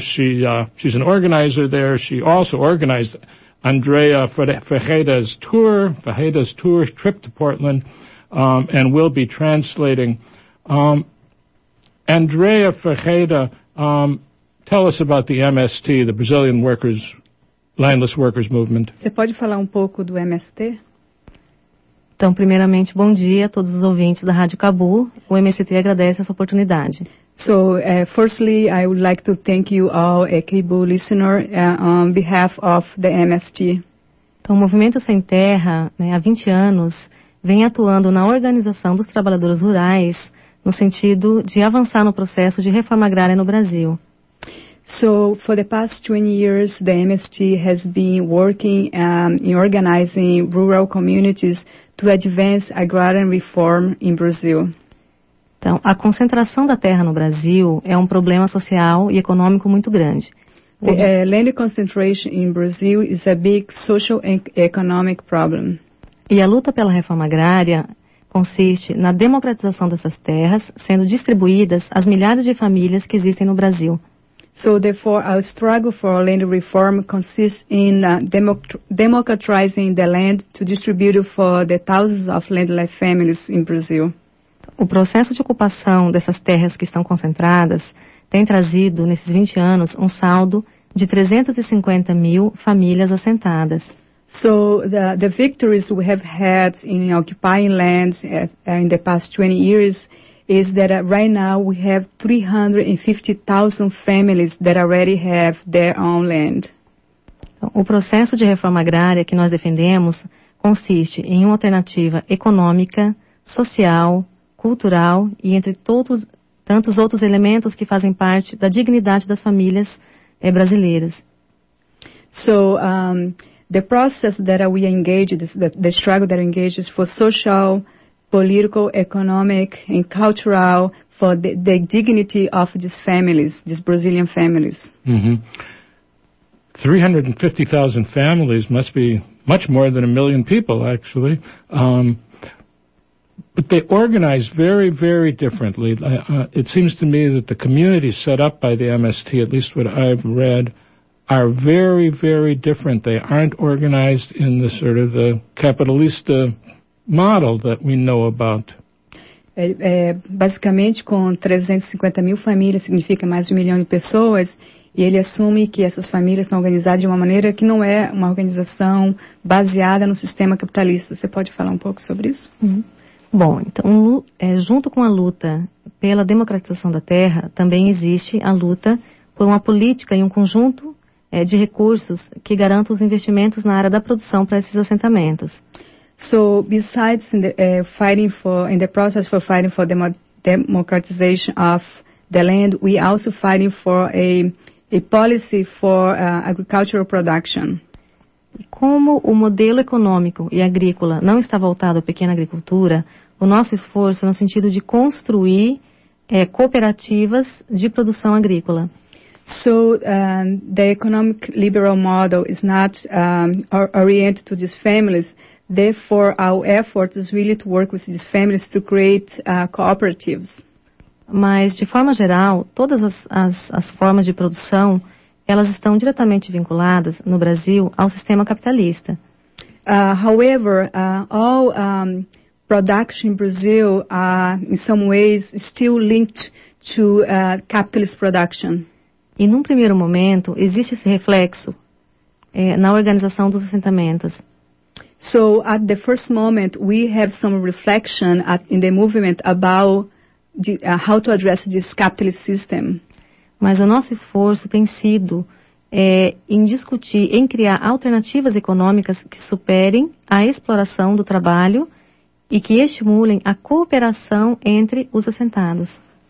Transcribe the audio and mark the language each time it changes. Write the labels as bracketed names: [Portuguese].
[English] She's an organizer there. She also organized Andrea Ferreira's tour, trip to Portland, and will be translating. Andrea Ferreira, tell us about the MST, the Brazilian Workers Landless Workers Movement. [Portuguese] Você pode falar pouco do MST? Então, primeiramente, bom dia a todos os ouvintes da Rádio KBOO. O MST agradece essa oportunidade. [English] So, firstly, I would like to thank you all, a KBOO listener, on behalf of the MST. [Portuguese] Então, o Movimento Sem Terra, né, há 20 anos, vem atuando na organização dos trabalhadores rurais no sentido de avançar no processo de reforma agrária no Brasil. [English] So, for the past 20 years, the MST has been working in organizing rural communities to advance agrarian reform in Brazil. [Portuguese] Então, a concentração da terra no Brasil é problema social e econômico muito grande. [English] Land concentration in Brazil is a big social and economic problem. [Portuguese] E a luta pela reforma agrária consiste na democratização dessas terras sendo distribuídas às milhares de famílias que existem no Brasil. [English] So, therefore, our struggle for land reform consists in democratizing the land to distribute for the thousands of landless families in Brazil. [Portuguese] O processo de ocupação dessas terras que estão concentradas tem trazido, nesses 20 anos, saldo de 350 mil famílias assentadas. [English] So, the victories we have had in occupying lands in the past 20 years is that right now we have 350,000 families that already have their own land. [Portuguese] O processo de reforma agrária que nós defendemos consiste em uma alternativa econômica, social, cultural e entre todos tantos outros elementos que fazem parte da dignidade das famílias brasileiras. [English] So, the process that we engage, the struggle that engages for social, political, economic, and cultural for the dignity of these families, these Brazilian families. Mm-hmm. 350,000 families must be much more than a million people, actually. But they organize very, very differently. It seems to me that the communities set up by the MST, at least what I've read, are very, very different. They aren't organized in the sort of the capitalista model that we know about. [Portuguese] Basicamente, com 350 mil famílias, significa mais de 1 milhão de pessoas, e ele assume que essas famílias estão organizadas de uma maneira que não é uma organização baseada no sistema capitalista. Você pode falar um pouco sobre isso? Uhum. Bom, então, junto com a luta pela democratização da terra, também existe a luta por uma política e um conjunto de recursos que garantam os investimentos na área da produção para esses assentamentos. [English] So, besides fighting for democratization of the land, we also fighting for a policy for agricultural production. [Portuguese] Como o modelo econômico e agrícola não está voltado à pequena agricultura, o nosso esforço é no sentido de construir cooperativas de produção agrícola. [English] So, the economic liberal model is not oriented to these families. Therefore, our effort is really to work with these families to create cooperatives. [Portuguese] Mas, de forma geral, todas as formas de produção, elas estão diretamente vinculadas, no Brasil, ao sistema capitalista. [English] However, all production in Brazil are, in some ways, still linked to capitalist production. [Portuguese] E, num primeiro momento, existe esse reflexo na organização dos assentamentos. [English] So, at the first moment, we have some reflection in the movement about how to address this capitalist system. [Portuguese] Mas o nosso esforço tem sido em discutir, em criar alternativas econômicas que superem a exploração do trabalho e que estimulem a cooperação entre os assentados.